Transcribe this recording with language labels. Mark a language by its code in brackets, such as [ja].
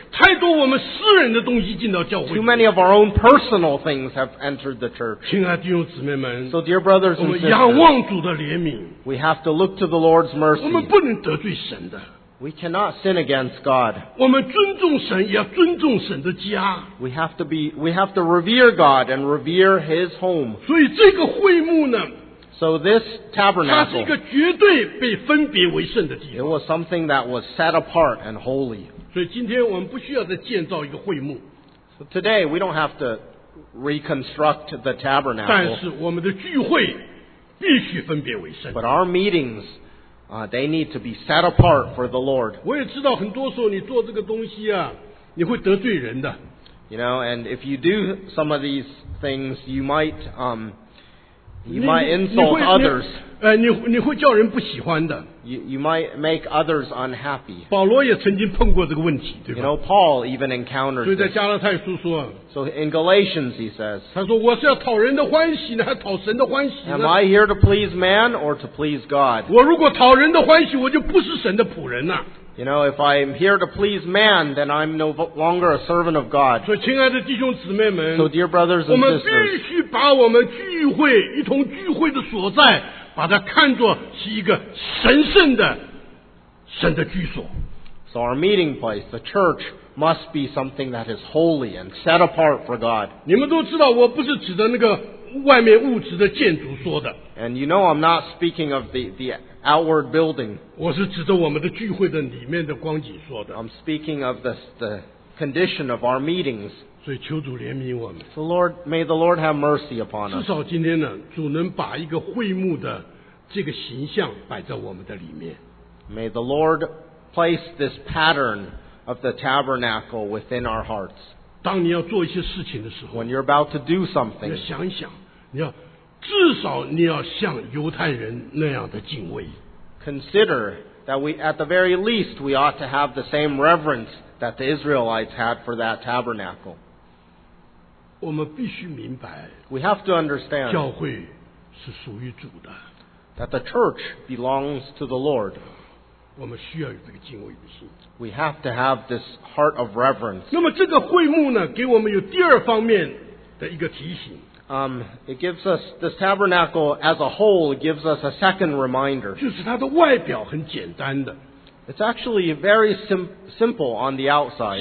[zh] 太多我们私人的东西进到教会里面。 [en] Too many of our own personal things have entered the church. [zh] 亲爱的弟兄姊妹们。 [en] So dear brothers and sisters. [zh] 我们仰望主的怜悯。 [en] We have to look to the Lord's mercy. [zh] 我们不能得罪神的。 [en] We cannot sin against God. [zh] 我们尊重神，也要尊重神的家。 [en] We have to revere God and revere His home. [zh] 所以这个会幕呢？ [en] So this tabernacle. [zh] 它是一个绝对被分别为圣的地方。 [en] It was something that was set apart and holy. [zh] 所以今天我们不需要再建造一个会幕。 [en] So today we don't have to reconstruct the tabernacle. [zh] 但是我们的聚会必须分别为圣。 [en] But our meetings. They need to be set apart for the Lord. [zh] 我也知道很多时候你做这个东西啊，你会得罪人的。 [en] You know, and if you do some of these things, you might insult others. [zh] 你会叫人不喜欢的。 [en] You might make others unhappy. [zh] 保罗也曾经碰过这个问题，对吧？ [en] You know, Paul even encountered. [zh] 所以在加拉太书说。 [en] So in Galatians he says. [zh] 他说我是要讨人的欢喜呢，还讨神的欢喜呢 [en] ？Am I here to please man or to please God? [zh] 我如果讨人的欢喜，我就不是神的仆人了。 [en] You know, if I'm here to please man, then I'm no longer a servant of God. [zh] 所以亲爱的弟兄姊妹们， [en] so dear brothers and sisters, [zh] 我们必须把我们聚会，一同聚会的所在，把它看作是一个神圣的，神的居所。 [en] So our meeting place, the church, must be something that is holy and set apart for God. [zh] 你们都知道我不是指的那个外面物质的建筑说的。 [en] And you know I'm not speaking of the outward building. [zh] 我是指着我们的聚会的里面的光景说的。 [en] I'm speaking of the condition of our meetings. [zh] 所以求主怜悯我们。 [en] So Lord, may the Lord have mercy upon us. [zh] 至少今天呢，主能把一个会幕的这个形象摆在我们的里面。 [en] May the Lord place this pattern of the tabernacle within our hearts. [zh] 当你要做一些事情的时候， [en] when you're about to do something, [zh] 你要想一想，你要。至少你要像犹太人那样的敬畏。 [en] Consider that we, at the very least, we ought to have the same reverence that the Israelites had for that tabernacle. [zh] 我们必须明白， [en] we have to understand, [zh] 教会是属于主的， [en] that the church belongs to the Lord. [zh] 我们需要有这个敬畏的心。 [en] We have to have this heart of reverence. [zh] 那么这个会幕呢，给我们有第二方面的一个提醒。 [en] It gives us, this tabernacle as a whole gives us a second reminder. [zh] 就是它的外表很简单的。 [en] It's actually very simple on the outside.